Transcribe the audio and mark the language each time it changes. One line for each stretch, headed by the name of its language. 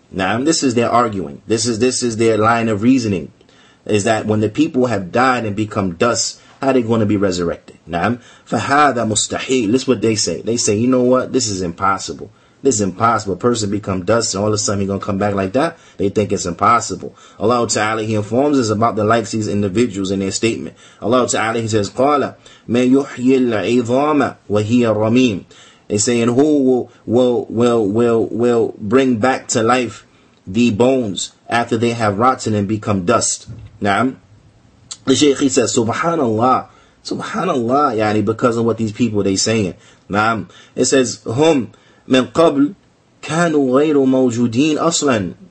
English: Now, this is their arguing. This is their line of reasoning, is that when the people have died and become dust, how are they going to be resurrected? Naam.
Arabic: فَهَذَا مُسْتَحِيلٌ.
English: This is what they say. They say, you know what? This is impossible. This is impossible. A person become dust and all of a sudden he's going to come back like that? They think it's impossible. Allah Ta'ala, he informs us about the likes of these individuals in their statement. Allah Ta'ala, he says,
Arabic: قَالَ مَنْ يُحْيِي الْعِظَامَ وَهِيَ رَمِيمٌ.
English: They say, and who will bring back to life the bones after they have rotten and become dust? Naam. The Shaykh, he says, Subhanallah. Subhanallah, yani, because of what these people they saying. Naam. It says,
Arabic: Hum min qabl kanu ghayru mawjudin aslan.